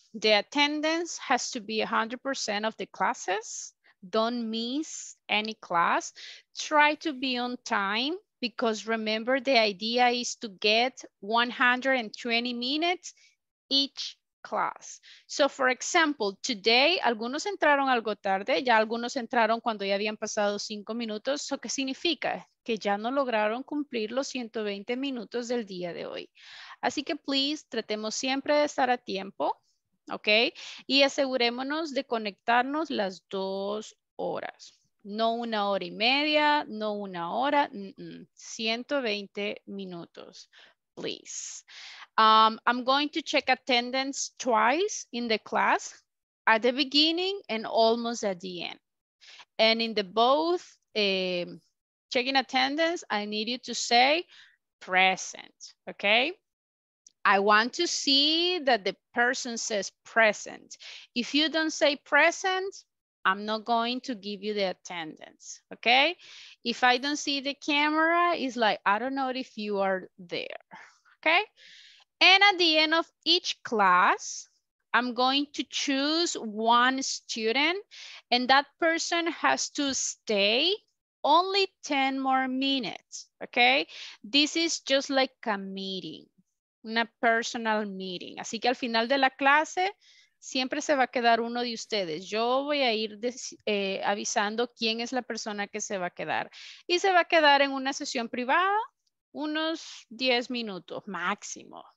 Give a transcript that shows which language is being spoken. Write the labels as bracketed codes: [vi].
[en] The attendance has to be 100% of the classes. Don't miss any class. Try to be on time, because remember, the idea is to get 120 minutes each class. So for example, today, [es] algunos entraron algo tarde, ya algunos entraron cuando ya habían pasado 5 minutos. So, ¿qué significa? Que ya no lograron cumplir los 120 minutos del día de hoy. Así que please, tratemos siempre de estar a tiempo. Ok, y asegurémonos de conectarnos las 2 horas, no 1 hora y media, no 1 hora, 120 minutos, please. [en] I'm going to check attendance twice in the class, at the beginning and almost at the end. And in the both checking attendance, I need you to say present, ok? I want to see that the person says present. If you don't say present, I'm not going to give you the attendance, okay? If I don't see the camera, it's like, I don't know if you are there, okay? And at the end of each class, I'm going to choose one student, and that person has to stay only 10 more minutes, okay? This is just like a meeting. Una personal meeting. [es] Así que al final de la clase siempre se va a quedar uno de ustedes. Yo voy a ir avisando quién es la persona que se va a quedar. Y se va a quedar en una sesión privada unos 10 minutos máximo.